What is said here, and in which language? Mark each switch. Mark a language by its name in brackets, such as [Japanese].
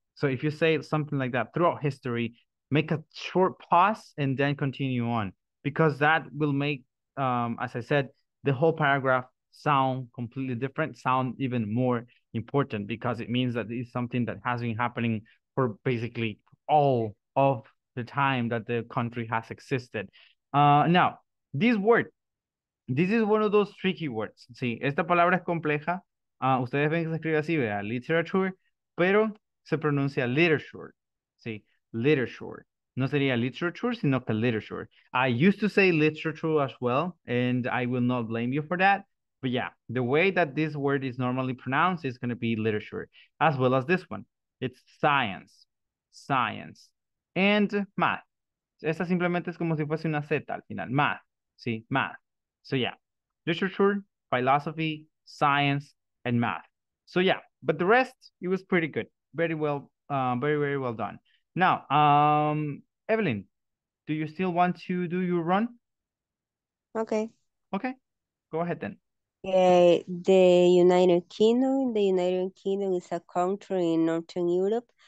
[English] So if you say something like that throughout history, make a short pause and then continue on, because that will make, as I said, the whole paragraph sound completely different, sound even more important, because it means that it's something that has been happening for basically all of the time that the country has existed. Now, this word, this is one of those tricky words. [Spanish] See, esta palabra es compleja. Ustedes ven que se escribe así, vea, literature, pero se pronuncia literature, ¿sí? Literature. No sería literature, sino que literature. [English] I used to say literature as well, and I will not blame you for that. But yeah, the way that this word is normally pronounced is going to be literature, as well as this one. It's science, science, and math. [Spanish] Esta simplemente es como si fuese una Z al final, math, ¿sí? [English] Math. So yeah, literature, philosophy, science, and math. So yeah, but the rest, it was pretty good. Very well, very, very well done. Now, Evelyn, do you still want to do your run? Okay. Okay, go ahead then. Yeah, the United Kingdom is a country in Northern Europe.